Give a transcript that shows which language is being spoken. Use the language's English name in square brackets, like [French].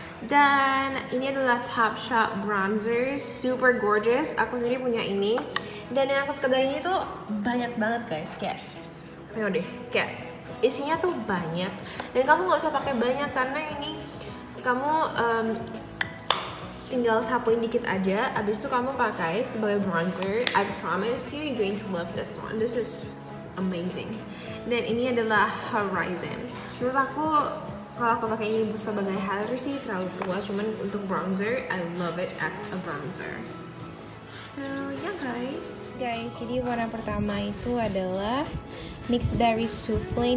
[Indonesian] Dan ini adalah Topshop Bronzer, super gorgeous. Aku sendiri punya ini. Dan yang aku suka dari ini tuh banyak banget guys, kayak ayo deh, kayak isinya tuh banyak. Dan kamu gak usah pakai banyak karena ini kamu tinggal sapuin dikit aja, abis itu kamu pakai sebagai bronzer. [English] I promise you, you're going to love this one. This is amazing. [Indonesian] Dan ini adalah Horizon. Menurut aku, kalau aku pakai ini sebagai highlighter sih terlalu tua, cuman untuk bronzer, [English] I love it as a bronzer. So, yeah guys. [Indonesian] Guys, jadi warna pertama itu adalah Mixed Berry Souffle.